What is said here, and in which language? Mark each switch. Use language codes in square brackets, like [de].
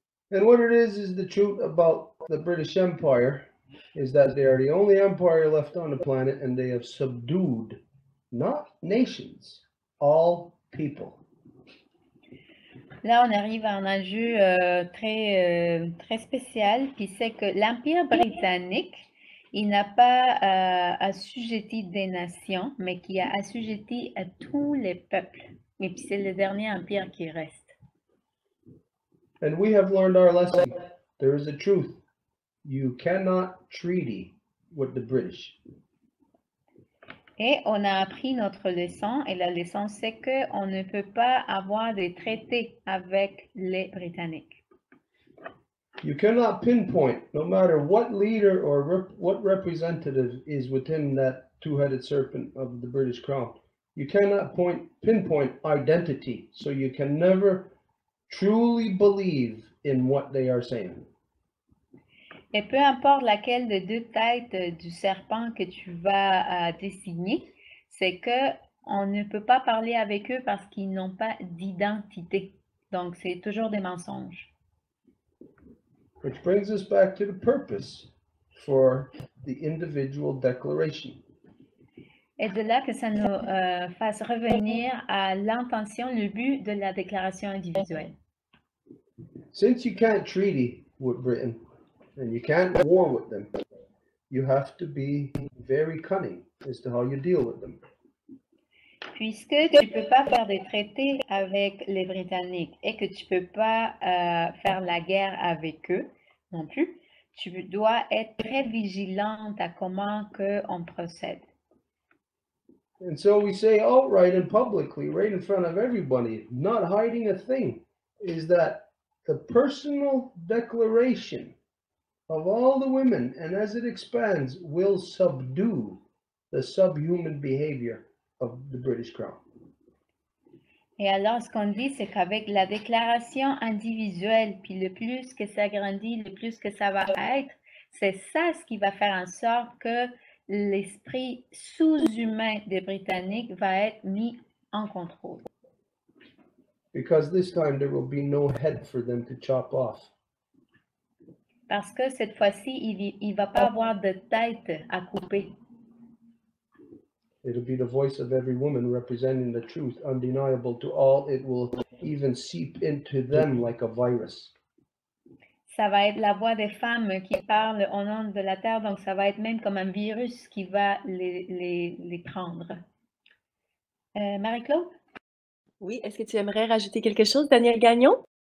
[en] And what it is the truth about the British Empire is that they are the only empire left on the planet and they have subdued, not nations, all people. [fr] Là, on arrive à un enjeu très, très spécial, puis c'est que l'Empire britannique, il n'a pas assujetti des nations, mais qui a assujetti à tous les peuples. Et puis c'est le dernier empire qui reste. [en] And we have learned our lesson. There is a truth. You cannot treaty with the British. [fr] Et on a appris notre leçon, et la leçon c'est qu'on ne peut pas avoir des traités avec les Britanniques. [en] You cannot pinpoint, no matter what leader or what representative is within that two-headed serpent of the British crown, you cannot pinpoint identity, so you can never truly believe in what they are saying. [fr] Et peu importe laquelle des deux têtes du serpent que tu vas dessiner, c'est qu'on ne peut pas parler avec eux parce qu'ils n'ont pas d'identité. Donc, c'est toujours des mensonges. [en] Which brings us back to the purpose for the individual declaration. [fr] Et de là que ça nous fasse revenir à l'intention, le but de la déclaration individuelle. [en] Since you can't treaty with Britain, and you can't war with them, you have to be very cunning as to how you deal with them. [fr] Puisque tu ne peux pas faire des traités avec les Britanniques et que tu ne peux pas faire la guerre avec eux non plus, tu dois être très vigilante à comment que on procède. [en] And so we say outright and publicly, right in front of everybody, not hiding a thing, is that the personal declaration of all the women, and as it expands, will subdue the subhuman behavior of the British Crown. [fr] Et alors, ce qu'on dit, c'est qu'avec la déclaration individuelle, puis le plus que ça grandit, le plus que ça va être, c'est ça ce qui va faire en sorte que l'esprit sous-humain des Britanniques va être mis en contrôle. [en] Because this time, there will be no head for them to chop off. [fr] Parce que cette fois-ci, il ne va pas avoir de tête à couper. [en] It'll be the voice of every woman representing the truth, undeniable to all. It will even seep into them like a virus. [fr] Ça va être la voix des femmes qui parlent au nom de la terre, donc ça va être même comme un virus qui va les prendre. Marie-Claude? Oui, est-ce que tu aimerais rajouter quelque chose, Daniel Gagnon?